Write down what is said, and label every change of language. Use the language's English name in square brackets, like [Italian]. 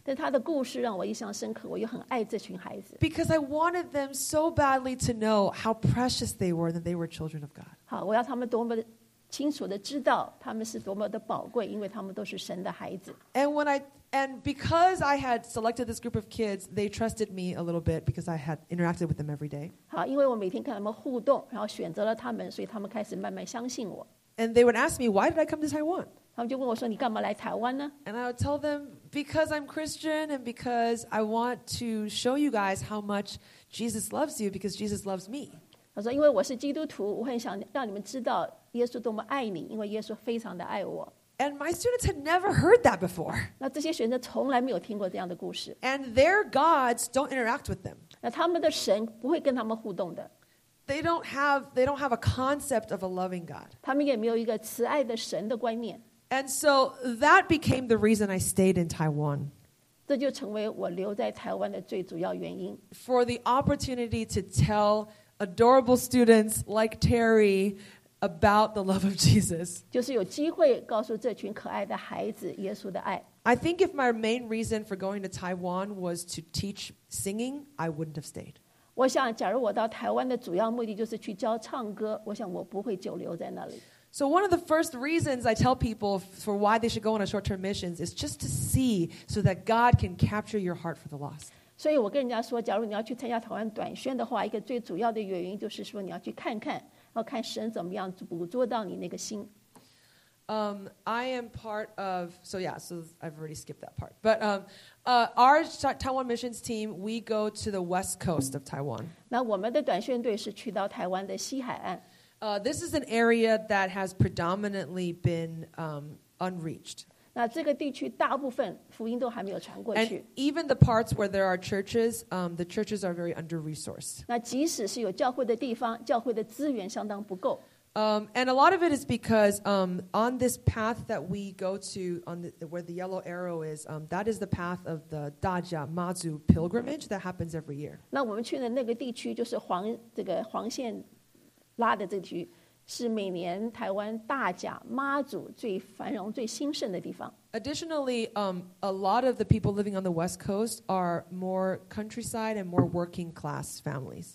[Chinese] 但他的故事让我印象深刻，我又很爱这群孩子。 [English] Because I wanted them so badly to know how precious they were, that they were children of God. [Chinese] 好，我要他们多么清楚地知道他们是多么的宝贵，因为他们都是神的孩子。 [English] And because I had selected this group of kids, they trusted me a little bit because I had interacted with them every day. [Chinese] 好，因为我每天跟他们互动，然后选择了他们，所以他们开始慢慢相信我。 [English] And they would ask me, why did I come to Taiwan? [Chinese] 他们就问我说，你干嘛来台湾呢？ [English] And I would tell them, because I'm Christian and because I want to show you guys how much Jesus loves you because Jesus loves me. [Chinese] 他说，因为我是基督徒，我很想让你们知道耶稣多么爱你，因为耶稣非常的爱我。 [English] And my students had never heard that before. [Chinese] 那这些学生从来没有听过这样的故事。 [English] And their gods don't interact with them. [Chinese] 那他们的神不会跟他们互动的。 [English] They don't have a concept of a loving God. [Chinese] 他们也没有一个慈爱的神的观念。 [English] And so that became the reason I stayed in Taiwan. [Chinese] 这就成为我留在台湾的最主要原因。 [English] For the opportunity to tell adorable students like Terry. About the love of Jesus. [Chinese] 就是有机会告诉这群可爱的孩子耶稣的爱。 [English] I think if my main reason for going to Taiwan was to teach singing, I wouldn't have stayed. [Chinese] 我想，假如我到台湾的主要目的就是去教唱歌，我想我不会久留在那里。 [English] So one of the first reasons I tell people for why they should go on a short-term missions is just to see so that God can capture your heart for the lost. [Chinese] 所以我跟人家说，假如你要去参加台湾短宣的话，一个最主要的原因就是说你要去看看。要看神怎么样捕捉到你那个心。 [English] I am part of, so yeah, so I've already skipped that part. But our Taiwan missions team, we go to the west coast of Taiwan. [Chinese] 那我们的短宣队是去到台湾的西海岸。 [English] This is an area that has predominantly been unreached. [Chinese] 那这个地区大部分福音都还没有传过去。 [English] And even the parts where there are churches, the churches are very under-resourced. [Chinese] 那即使是有教会的地方，教会的资源相当不够。 [English] And a lot of it is because on this path that we go to, on the, where the yellow arrow is, that is the path of the Dajia Mazu pilgrimage that happens every year. [Chinese] 那我们去的那个地区就是黄这个黄线拉的这区。是每年台湾大甲妈祖最繁荣最兴盛的地方。 [English] Additionally, a lot of the people living on the West Coast are more countryside and more working class families.